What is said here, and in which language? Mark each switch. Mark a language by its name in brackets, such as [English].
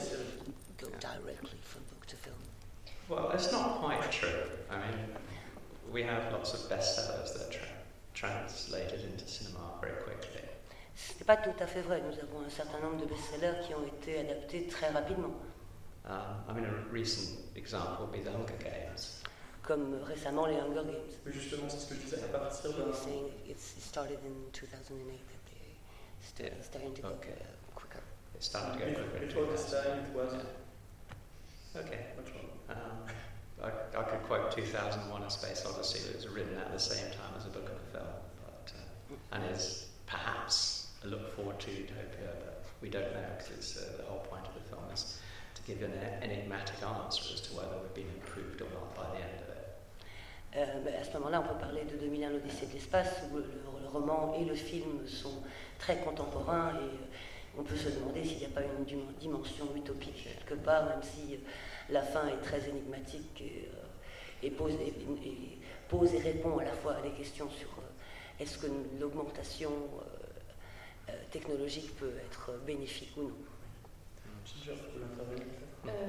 [English] séries. Well, it's not quite true. I mean, we have lots of bestsellers that translated into cinema very quickly. [French] Ce n'est pas tout à fait vrai. Nous avons un certain nombre de best-sellers qui ont été adaptés très rapidement. [English] I mean, a recent example would be The Hunger Games. [French] Comme récemment les Hunger Games. Justement, c'est ce que je disais à partir de. [English] You're saying it started in 2008 that they started to get quicker. It started to get quicker. Before this time, it was. Okay. I could quote 2001: A Space Odyssey. It was written at the same time as a book and a film, but and is perhaps a look forward to utopia, but we don't know because it's the whole point of the film is to give an enigmatic answer as to whether we've been improved or not by the end. [French] À ce moment-là, on peut parler de 2001, l'Odyssée de l'espace, où le roman et le film sont très contemporains, et on peut se demander s'il n'y a pas une dimension utopique quelque part, même si la fin est très énigmatique et pose et répond à la fois à des questions sur est-ce que l'augmentation technologique peut être bénéfique ou non.